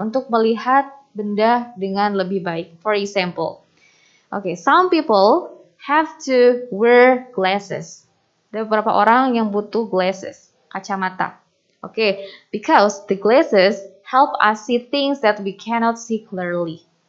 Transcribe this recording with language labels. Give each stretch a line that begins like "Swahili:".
Indonesian: Untuk melihat benda dengan lebih baik.
English: For example, okay, some people have to wear glasses.
Indonesian: Ada beberapa orang yang butuh glasses, kacamata.
English: Okay. Because the glasses help us see things that we cannot see clearly.